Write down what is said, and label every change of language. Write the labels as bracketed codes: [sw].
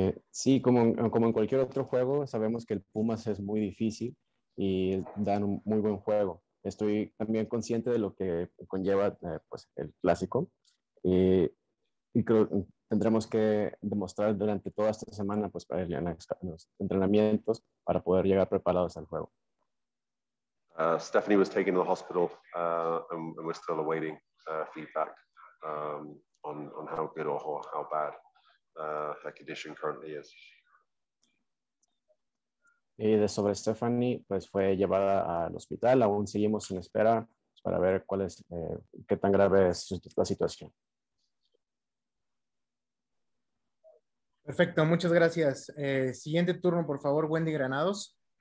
[es] Sí, como en cualquier otro juego, sabemos que el Pumas es muy difícil y dan un muy buen juego. Estoy también consciente de lo que conlleva pues, el clásico y creo que tendremos que demostrar durante toda esta semana pues, para ir a los entrenamientos para poder llegar preparados al juego. [en] Stephanie was taken to the hospital, and we're still awaiting feedback on how good or how bad her condition currently is. [es] Y de sobre Stephanie, pues fue llevada al hospital. Aún seguimos en espera para ver cuál es qué tan grave es la situación. Perfecto, muchas gracias. Siguiente turno, por favor, Wendy Granados.